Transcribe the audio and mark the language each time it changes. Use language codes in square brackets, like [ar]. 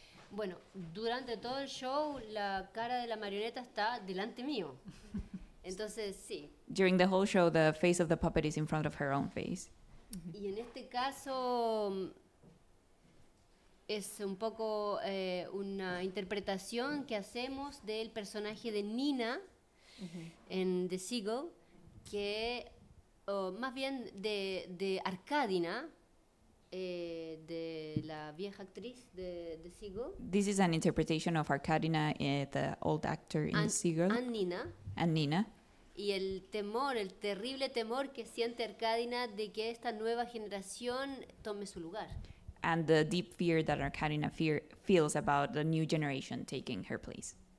[es] Bueno, durante todo el show, la cara de la marioneta está delante mío. Entonces, sí. [en] During the whole show, the face of the puppet is in front of her own face. [es] Y en este caso, es un poco una interpretación que hacemos del personaje de Nina en The Seagull, que, más bien de Arkadina, de la vieja actriz de Seagull. [en] This is an interpretation of Arkadina, the old actor in Seagull. And Nina. [es] Y el temor, el terrible temor que siente Arkadina de que esta nueva generación tome su lugar. [en] And the deep fear that Arkadina feels about the new generation taking her place.